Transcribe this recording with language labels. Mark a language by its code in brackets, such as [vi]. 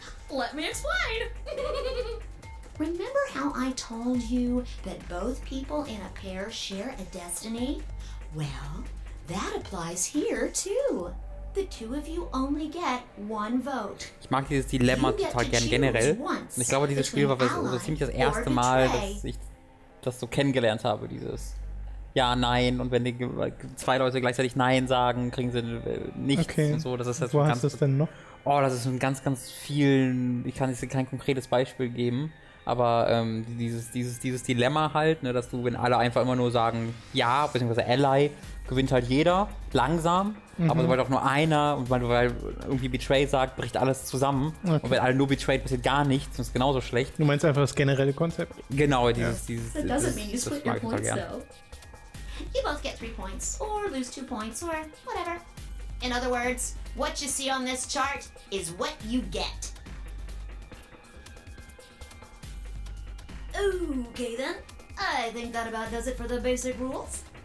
[en] Well, let me explain. Remember how I told you that both people in a pair share a destiny? Well, that applies here too. The two of you only get one vote. [de] Ich mag dieses Dilemma total gern generell. Und ich glaube, dieses Spiel war ziemlich das erste Mal, dass ich das so kennengelernt habe, dieses Ja, Nein. Und wenn die zwei Leute gleichzeitig Nein sagen, kriegen sie nichts. Okay. Und so. Das ist halt wo so hast du es denn noch? Oh, das ist so ein ganz, ganz vielen. Ich kann jetzt kein konkretes Beispiel geben. Aber dieses Dilemma halt, ne, dass du, wenn alle einfach immer nur sagen Ja, beziehungsweise Ally, gewinnt halt jeder, langsam. Mhm. Aber sobald auch nur einer, und weil irgendwie Betray sagt, bricht alles zusammen. Okay. Und wenn alle nur betrayed, passiert gar nichts, und ist genauso schlecht. Du meinst einfach das generelle Konzept? Genau, dieses [en] That doesn't mean you split your points, though. You both get 3 points, or lose 2 points, or whatever. In other words, what you see on this chart is what you get. Okay then, I think that about does it for the basic rules.